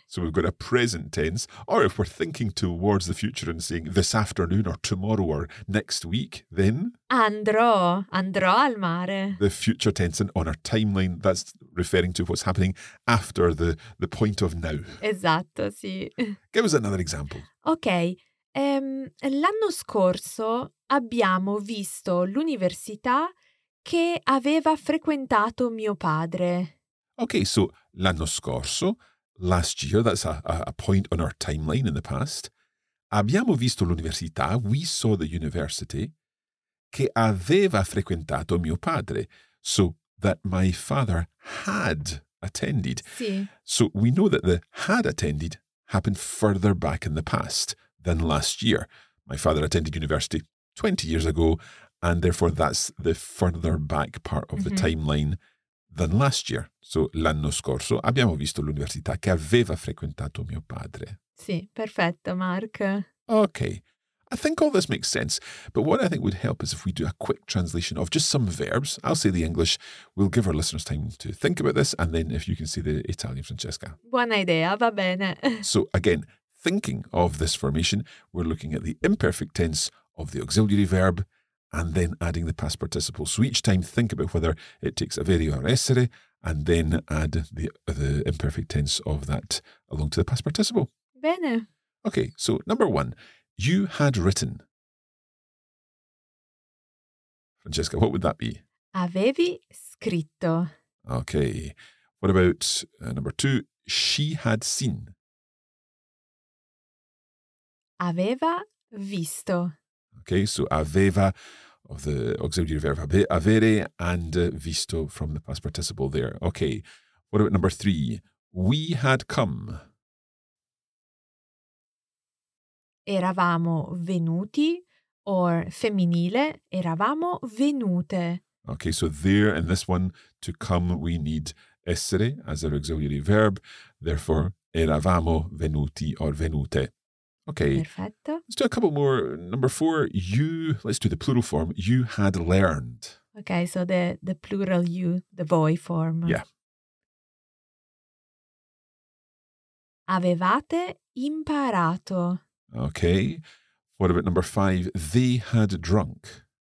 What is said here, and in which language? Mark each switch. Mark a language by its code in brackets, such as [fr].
[en] So we've got a present tense. Or if we're thinking towards the future and saying this afternoon or tomorrow or next week, then... [it] Andrò al mare. [en] The future tense, and on our timeline, that's referring to what's happening after the point of now. [it] Esatto, sì. [en] Give us another example. Okay. [it] L'anno scorso abbiamo visto l'università che aveva frequentato mio padre. [en] Okay, so [it] l'anno scorso, [en] last year, that's a point on our timeline in the past. [it] Abbiamo visto l'università, [en] we saw the university, [it] che aveva frequentato mio padre. [en] So that my father had attended. [it] Sì. [en] So we know that the had attended happened further back in the past than last year. My father attended university 20 years ago, and therefore that's the further back part of the timeline than last year. [it] So l'anno scorso abbiamo visto l'università che aveva frequentato mio padre. Sì, perfetto, Mark. [en] Okay. I think all this makes sense, but what I think would help is if we do a quick translation of just some verbs. I'll say the English, we'll give our listeners time to think about this, and then if you can say the Italian, Francesca. [it] Buona idea, va bene. [en] So again, thinking of this formation, we're looking at the imperfect tense of the auxiliary verb and then adding the past participle. So each time, think about whether it takes avere or essere, and then add the imperfect tense of that along to the past participle. [it] Bene. [en] Okay, so number one, you had written. Francesca, what would that be? [it] Avevi scritto. [en] Okay. What about number two, she had seen. [it] Aveva visto. [en] Okay, so aveva of the auxiliary verb avere and visto from the past participle there. Okay, what about number three? We had come. [it] Eravamo venuti, or femminile, eravamo venute. [en] Okay, so there in this one, to come, we need essere as our auxiliary verb. [it] Therefore, eravamo venuti or venute. [en] Okay, [it] perfetto. [en] Let's do a couple more. Number four, you, let's do the plural form, you had learned. Okay, so the plural you, the voi form. Yeah. [it] Avevate imparato. [en] Okay. What about number five? They had drunk.